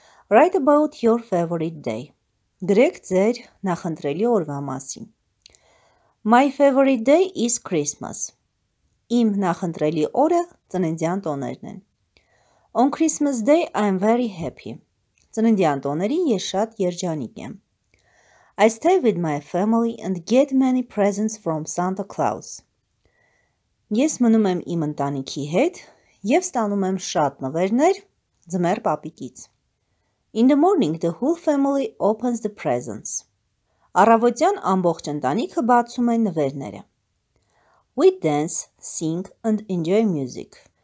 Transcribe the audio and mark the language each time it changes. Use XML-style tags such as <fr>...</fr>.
<en>Write about your favorite day.</en> <hy>Գրեք ձեր նախընտրելի օրվա մասին.</hy> <en>My favorite day is Christmas.</en> <hy>Իմ նախընտրելի օրը ծննդյան տոներն են.</hy> <en>On Christmas day I'm very happy.</en> <hy>Ծննդյան տոներին ես շատ երջանիկ եմ.</hy> <en>I stay with my family and get many presents from Santa Claus.</en> <hy>Ես մնում եմ իմ ընտանիքի հետ, Եվ ստանում եմ շատ նվերներ ձմեր պապիկից։</hy> <en>In the morning, the whole family opens the presents.</en> <hy>Առավոտյան ամբողջ ընտանիքը բացում է նվերները։</hy> <en>We dance, sing and enjoy music.</en>